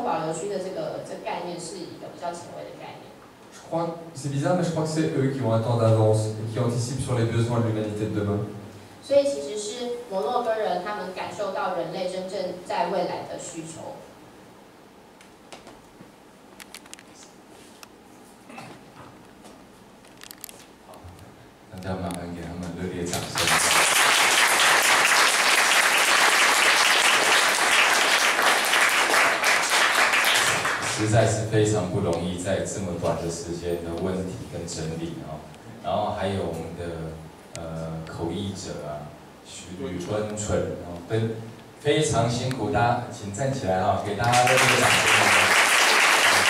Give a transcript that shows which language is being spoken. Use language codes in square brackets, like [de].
[zh] 它其实是比较前卫的，然后比较走向未来的这样子的一个走法。相对于就是中国这个人造月亮计划，其实它认为这个月亮星空保留区的这个概念是一个比较前卫的概念。 [fr] Je crois, c'est bizarre, mais je crois que c'est eux qui ont un temps d'avance et qui anticipent sur les besoins de l'humanité de demain. [zh] 所以其实是摩洛哥人他们感受到人类真正在未来的需求。要麻烦给他们热烈掌声。实在是非常不容易，在这么短的时间的问题跟整理啊，然后还有我们的口译者啊，许春春啊，非常辛苦，大家请站起来啊，给大家热烈掌声。